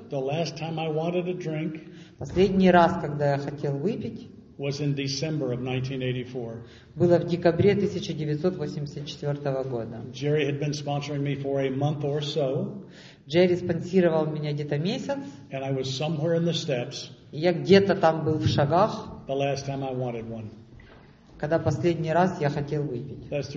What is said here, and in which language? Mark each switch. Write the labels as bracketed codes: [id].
[en] The last time I wanted a drink. [ru] Последний раз, когда я хотел выпить. [en] Was in December of 1984. [ru] Было в декабре 1984 года. [en] Jerry had been sponsoring me for a month or so. [ru] Джерри спонсировал меня где-то месяц. [en] And I was somewhere in the steps. [ru] Я где-то там был в шагах. [en] The last time I wanted one. [ru] Когда последний раз я хотел выпить.